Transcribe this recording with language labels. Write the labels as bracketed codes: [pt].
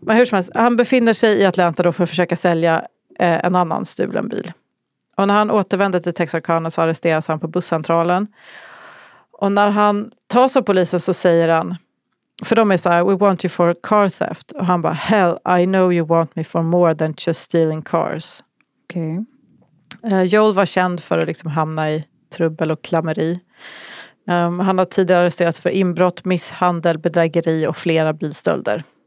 [sv] Men hur som helst, han befinner sig i Atlanta då för att försöka sälja en annan stulen bil. Och när han återvänder till Texarkana så arresteras han på busscentralen. Och när han tas av polisen så säger han, för de är så här, we want you for car theft. [en] Och han bara, hell, I know you want me for more than just stealing cars. Okay. [sv] Joel var känd för att liksom hamna i trubbel och klammeri. Han har tidigare arresterats för inbrott, misshandel, bedrägeri och flera bilstölder.